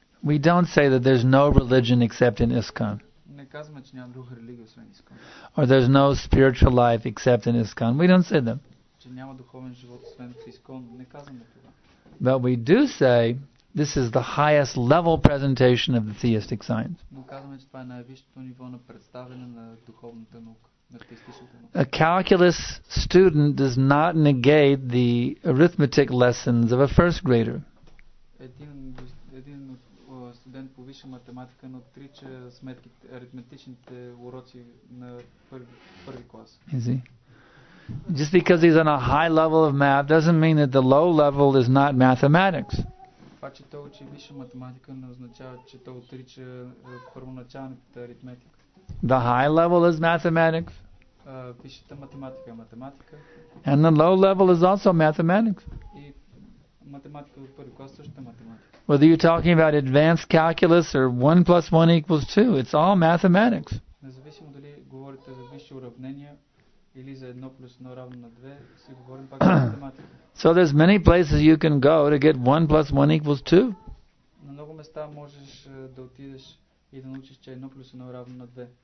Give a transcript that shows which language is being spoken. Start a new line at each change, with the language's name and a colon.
English: We don't say that there's no religion except in ISKCON.
Bulgarian: Не казваме, че няма друга религия освен ISKCON.
English: Or there's no spiritual life except in ISKCON. We don't say that.
Bulgarian: Че няма духовен живот освен в ISKCON. Не казваме това.
English: But we do say this is the highest level presentation of the theistic science.
Bulgarian: Но казваме, че това е най-висшето ниво на представяне на духовната наука.
English: A calculus student does not negate the arithmetic lessons of a first grader.
Bulgarian: Един студент по висша математика не отрича сметките, аритметичните уроци на първи клас.
English: Easy. Just because he's on a high level of math doesn't mean that the low level is not mathematics.
Bulgarian: Това, че той учи висша математика, не означава, че той отрича първоначалната аритметика.
English: The high level is mathematics.
Bulgarian: Висшата математика е математика.
English: And the low level is also mathematics.
Bulgarian: И математика от първи клас също е математика.
English: Whether you're talking about advanced calculus or 1 plus 1 equals 2, it's all mathematics.
Bulgarian: Независимо дали говорите за висш повече уравнения или за 1 плюс 1 равно на 2, си говорим пак за математика.
English: So there's many places you can go to get 1 plus 1 equals 2.
Bulgarian: На много места можеш да отидеш и да научиш, че 1 плюс 1 равно на 2.